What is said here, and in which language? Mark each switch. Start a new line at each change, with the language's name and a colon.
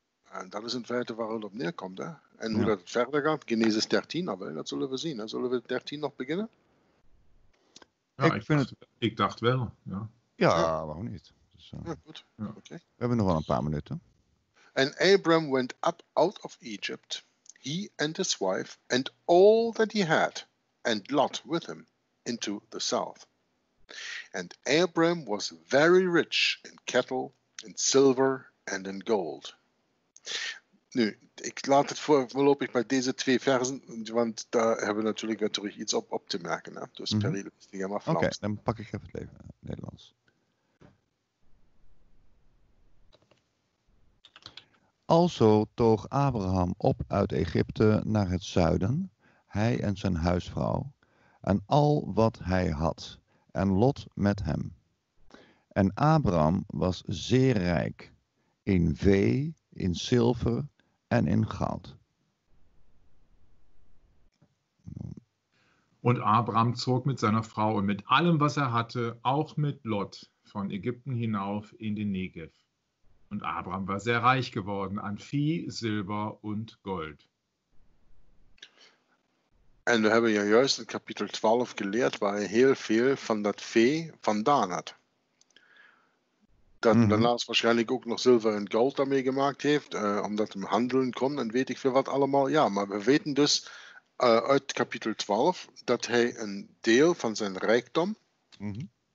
Dutch: En dat is in feite waar het op neerkomt. Hè? En hoe dat verder gaat, Genesis 13, dat zullen we zien. Zullen we 13 nog beginnen? Ja, ik dacht wel. Ja, ja, ja. Waarom niet? Dus, goed. Ja. Okay. We hebben nog wel een paar minuten.
English: And Abram went up out of Egypt, he and his wife, and all that he had, and Lot with him, into the south. And Abram was very rich in cattle, in silver, and in gold.
Dutch: Nu, ik laat het voorlopig bij deze twee versen, want daar hebben we natuurlijk weer terug iets op te merken. Hè? Dus Perry, die gaan maar Vlaams. Oké, dan pak ik even het leven Nederlands. Also toog Abraham op uit Egypte naar het zuiden, hij en zijn huisvrouw, en al wat hij had, en Lot met hem. En Abraham was zeer rijk in vee, in zilver en in goud.
German: Und Abraham zog mit seiner Frau und mit allem, was er hatte, auch mit Lot, von Ägypten hinauf in den Negev. Und Abraham war sehr reich geworden an Vieh, Silber und Gold.
Dutch: En we hebben juist in kapitel 12 geleerd waar hij heel veel van dat vee vandaan had. Dat mm-hmm. daarnaast waarschijnlijk ook nog zilver en goud daarmee gemaakt heeft, omdat hij handelen kon en weet ik veel wat allemaal. Ja, maar we weten dus uit kapitel 12 dat hij een deel van zijn rijkdom mm-hmm.